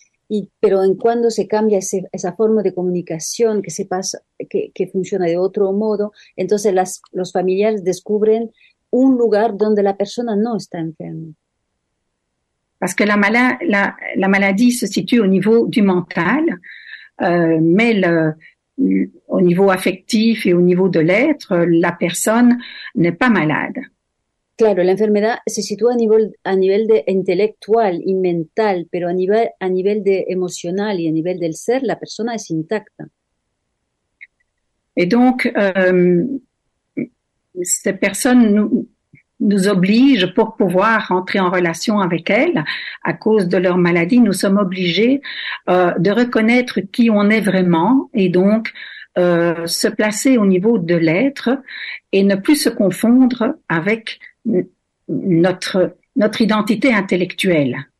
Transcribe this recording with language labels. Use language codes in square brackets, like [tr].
[es] Y, pero en cuando se cambia esa forma de comunicación que se pasa, que funciona de otro modo, entonces los familiares descubren un lugar donde la persona no está enferma. [fr] Parce que la maladie se situe au niveau du mental, mais au niveau affectif et au niveau de l'être, la personne n'est pas malade. [es] Claro, la enfermedad se sitúa a nivel de intelectual y mental, pero a nivel de emocional y a nivel del ser, la persona es intacta. [fr] Et donc, cette personne nous oblige pour pouvoir entrer en relation avec elle à cause de leur maladie. Nous sommes obligés de reconnaître qui on est vraiment et donc se placer au niveau de l'être et ne plus se confondre avec notre identité intellectuelle.